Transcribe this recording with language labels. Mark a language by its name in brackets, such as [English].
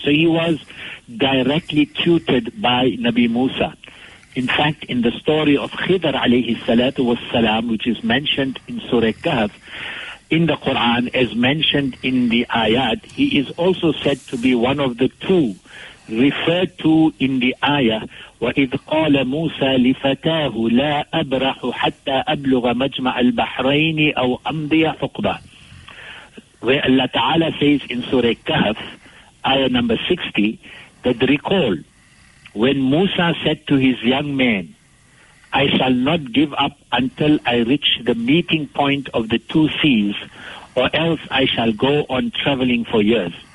[English] So he was directly tutored by Nabi Musa. In fact, in the story of Khidr alayhi salatu wasalam, which is mentioned in Surah Kahf, in the Quran, as mentioned in the ayat, he is also said to be one of the two referred to in the ayah. [Arabic] وَإِذْ قَالَ مُوسَى لِفَتَاهُ لَا أَبْرَحُ حَتَّى أَبْلُغَ مَجْمَعَ الْبَحْرَيْنِ أَوْ أَمْضِيَ حُقْبًا. [English] Where Allah Ta'ala says in Surah Kahf, ayah number 60, that recall, when Musa said to his young man, I shall not give up until I reach the meeting point of the two seas, or else I shall go on traveling for years.